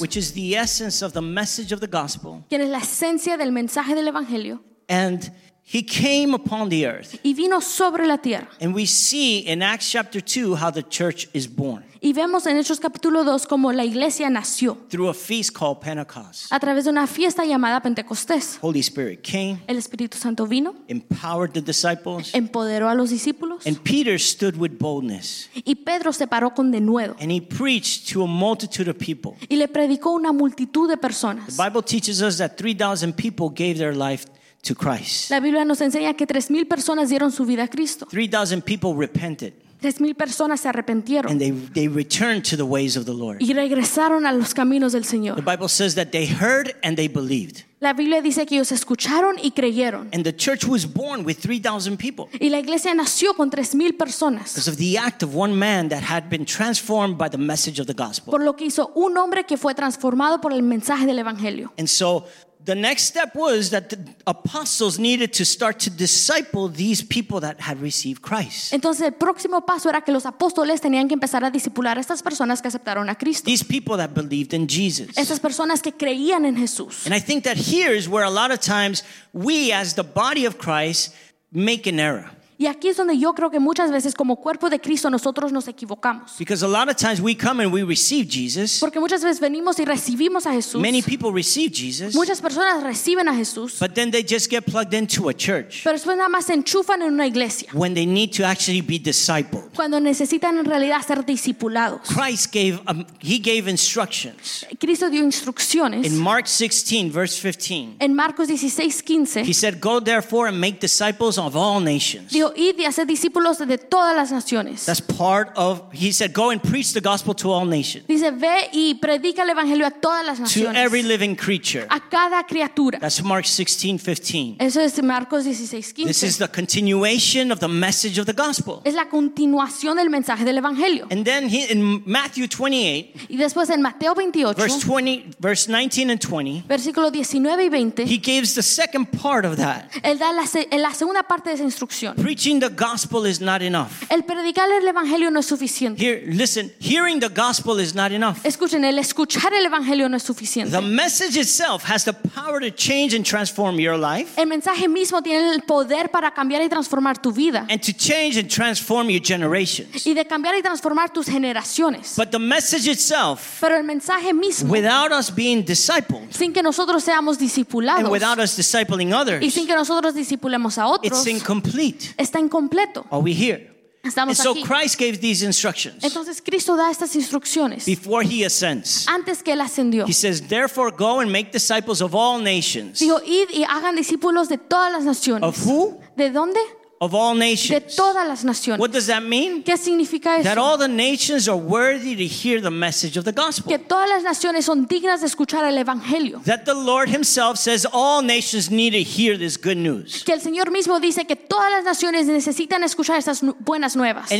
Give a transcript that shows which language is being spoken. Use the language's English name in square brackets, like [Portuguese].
[English] which is the essence of the message of the gospel, [Spanish] quien es la esencia del mensaje del evangelio. [English] And he came upon the earth. [Spanish] Y vino sobre la tierra. [English] And we see in Acts chapter 2 how the church is born. [Spanish] Y vemos en Hechos capítulo 2 como la iglesia nació. [English] Through a feast called Pentecost. [Spanish] A través de una fiesta llamada Pentecostés. [English] Holy Spirit came. [Spanish] El Espíritu Santo vino. [English] Empowered the disciples. [Spanish] Empoderó a los discípulos. [English] And Peter stood with boldness. [Spanish] Y Pedro se paró con denuedo. [English] And he preached to a multitude of people. [Spanish] Y le predicó una multitud de personas. [English] The Bible teaches us that 3,000 people gave their life to Christ. [Spanish] La Biblia nos enseña que 3,000 personas dieron su vida a Cristo. [English] 3,000 people repented. [Spanish] 3,000 personas se arrepintieron. [English] And they returned to the ways of the Lord. [Spanish] Y regresaron a los caminos del Señor. [English] The Bible says that they heard and they believed. [Spanish] La Biblia dice que ellos escucharon y creyeron. [English] And the church was born with 3,000 people. [Spanish] Y la iglesia nació con 3,000 personas. [English] Because of the act of one man that had been transformed by the message of the gospel. [Spanish] Por lo que hizo un hombre que fue transformado por el mensaje del evangelio. [English] And so the next step was that the apostles needed to start to disciple these people that had received Christ. [Spanish] Entonces el próximo paso era que los apóstoles tenían que empezar a discipular a estas personas que aceptaron a Cristo. [English] These people that believed in Jesus. [Spanish] Estas personas que creían en Jesús. [English] And I think that here is where a lot of times we as the body of Christ make an error. [Spanish] Y aquí es donde yo creo que muchas veces como cuerpo de Cristo nosotros nos equivocamos. [English] Because a lot of times we come and we receive Jesus. [Spanish] Porque muchas veces venimos y recibimos a Jesús. [English] Many people receive Jesus. [Spanish] Muchas personas reciben a Jesús. [English] But then they just get plugged into a church. [Spanish] Pero después nada más se enchufan en una iglesia. [English] When they need to actually be discipled. [Spanish] Cuando necesitan en realidad ser discipulados. [English] Christ gave he gave instructions. [Spanish] Cristo dio instrucciones. [English] In Mark 16 verse 15. [Spanish] En Marcos 16:15. [English] He said, "Go therefore and make disciples of all nations." [Spanish] Dijo, id y haced discípulos de todas las naciones. [English] That's part of, he said, go and preach the gospel to all nations. [Spanish] Dice, ve y predica el evangelio a todas las naciones. [English] To every living creature. [Spanish] A cada criatura. [English] That's Mark 16:15. [Spanish] Eso es Marcos 16:15. [English] This is the continuation of the message of the gospel. [Spanish] Es la continuación del mensaje del evangelio. [English] And then in Matthew 28. [Spanish] Y después en Mateo 28. [English] Verse 19 and 20. [Spanish] Versículo 19 y 20. [English] He gives the second part of that. [Spanish] Él da la segunda parte de esa instrucción. [English] Preaching the gospel is not enough. [Spanish] El predicar el evangelio no es suficiente. [English] Here, listen, hearing the gospel is not enough. [Spanish] Escuchen, el escuchar el evangelio no es suficiente. [English] The message itself has the power to change and transform your life. [Spanish] El mensaje mismo tiene el poder para cambiar y transformar tu vida. [English] And to change and transform your generations. [Spanish] Y de cambiar y transformar tus generaciones. [English] But the message itself, [Spanish] pero el mensaje mismo, [English] without us being discipled, [Spanish] sin que nosotros seamos discipulados, [English] and without us discipling others, [Spanish] y sin que nosotros discipulemos a otros, [English] it's incomplete. [Spanish] Está incompleto. [English] Are we here? [Spanish] Estamos [English] and [Spanish] aquí. [English] So Christ gave these instructions. [Spanish] Entonces Cristo da estas instrucciones. [English] Before he ascends. [Spanish] Antes que él ascendió. [English] He says, therefore go and make disciples of all nations. [Spanish] Dijo, id y hagan discípulos de todas las naciones. [English] Of who? [Spanish] ¿De dónde? [English] Of all nations. [Spanish] De todas las naciones. [English] What does that mean? [Spanish] ¿Qué significa eso? [English] That all the nations are worthy to hear the message of the gospel. [Spanish] Que todas las naciones son dignas de escuchar el evangelio. [English] That the Lord himself says all nations need to hear this good news. [Spanish] Que el Señor mismo dice que todas las naciones necesitan escuchar estas buenas nuevas.